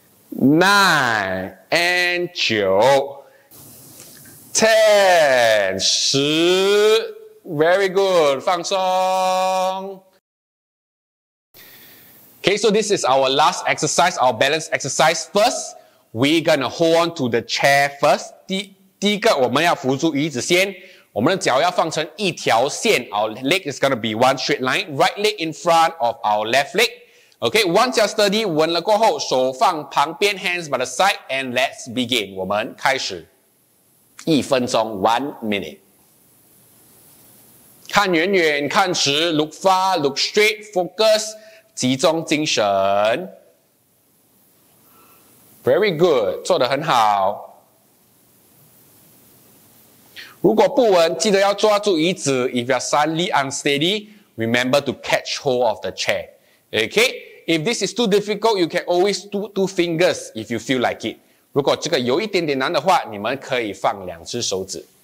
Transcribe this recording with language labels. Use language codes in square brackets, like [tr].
[en] Nine and 九 ，ten 十 ，very good， [zh] 放松。 [en] Okay, so this is our last exercise, our balance exercise. First, we're gonna hold on to the chair first. [zh] 第一个，我们要扶住椅子先。我们的脚要放成一条线。 [en] Our leg is gonna be one straight line. Right leg in front of our left leg. Okay, once you're steady, [zh] 稳了过后，手放旁边 [en] ，hands by the side, and let's begin. [zh] 我们开始，一分钟 ， [en] one minute. [zh] 看远远，看直 [en] ，look far, look straight, focus, [zh] 集中精神。 [en] Very good, [zh] 做得很好。如果不稳，记得要抓住椅子。 [en] If you're suddenly unsteady, remember to catch hold of the chair. Okay. If this is too difficult, you can always do two fingers if you feel like it. [zh] 如果这个有一点点难的话，你们可以放两只手指。